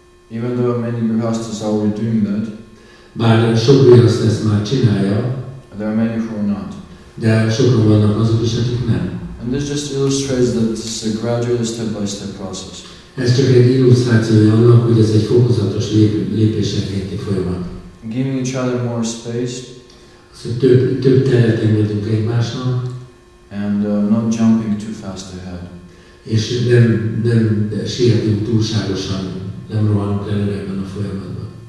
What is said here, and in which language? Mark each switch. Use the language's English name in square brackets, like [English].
[English] Even though many grihasthas are already doing that. [Hungarian] Bár sok grihastha ezt már csinálja. [English] There are many who are not. [Hungarian] De sokan vannak azok is, akik nem. [English] And this just illustrates that it's a gradual step-by-step process. [Hungarian] Ez csak egy illusztrációja annak, hogy ez egy fokozatos lépésekénti folyamat. [English] Giving each other more space. [Hungarian] Szóval több teret engedünk egymásnak. [English] And not jumping too fast ahead. [Hungarian] És nem sietünk túlságosan, nem rohanunk előre ebben a folyamatban.